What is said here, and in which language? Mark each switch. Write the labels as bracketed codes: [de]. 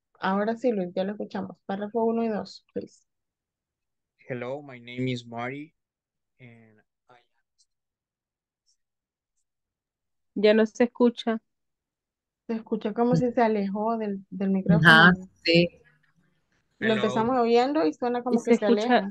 [es] Ahora sí, Luis, ya lo escuchamos. Párrafo 1 y 2, [en] please. Hello, my name is Mari, and I am. [es] Ya no se escucha. Se escucha como si se alejó del micrófono. Sí. Lo empezamos oyendo y suena como que se aleja.